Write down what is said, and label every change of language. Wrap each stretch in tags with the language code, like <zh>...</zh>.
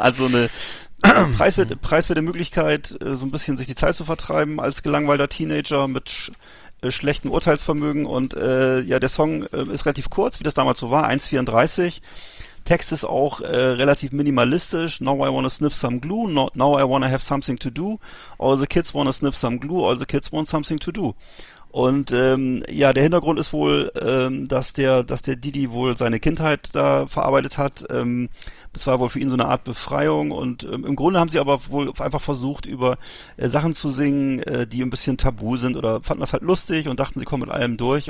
<de>Also eine preiswerte Möglichkeit, so ein bisschen sich die Zeit zu vertreiben als gelangweilter Teenager mit schlechtem Urteilsvermögen. Und ja, der Song ist relativ kurz, wie das damals so war, 1,34. Text ist auch relativ minimalistisch.</de> <en>Now I wanna sniff some glue. Now I wanna have something to do. All the kids wanna sniff some glue. All the kids want something to do.</en> <de>Und ja, der Hintergrund ist wohl, dass der Didi wohl seine Kindheit da verarbeitet hat. Es war wohl für ihn so eine Art Befreiung. Und im Grunde haben sie aber wohl einfach versucht, über Sachen zu singen, die ein bisschen tabu sind, oder fanden das halt lustig und dachten, sie kommen mit allem durch.</de>